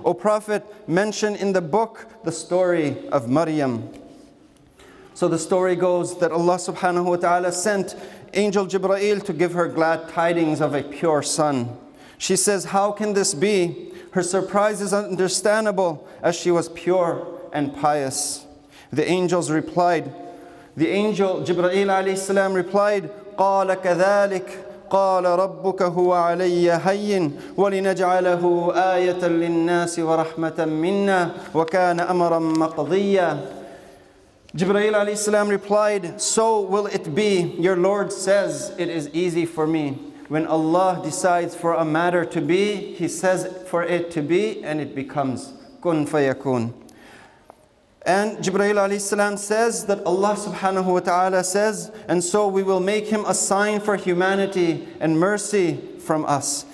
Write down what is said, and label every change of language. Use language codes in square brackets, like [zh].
[en] O Prophet, mention in the book the story of Maryam. So the story goes that Allah subhanahu wa ta'ala sent Angel Jibreel to give her glad tidings of a pure son. She says, how can this be? Her surprise is understandable, as she was pure and pious. The angels replied, the angel Jibreel alayhi salam replied, [ar] قَالَ كَذَلِكَ قَالَ رَبُّكَ هُوَ عَلَيَّ هَيِّنَ وَلِنَجْعَلَهُ آيَةً لِلنَّاسِ وَرَحْمَةً مِنَّا وَكَانَ أَمَرًا مَقْضِيًّا. [en] Jibreel alayhi salam replied, so will it be, your Lord says, it is easy for me. When Allah decides for a matter to be, He says for it to be, and it becomes. [ar] كُنْ فَيَكُونَ. [en] And Jibreel alayhi salam says that Allah subhanahu wa ta'ala says, and so we will make him a sign for humanity and mercy from us.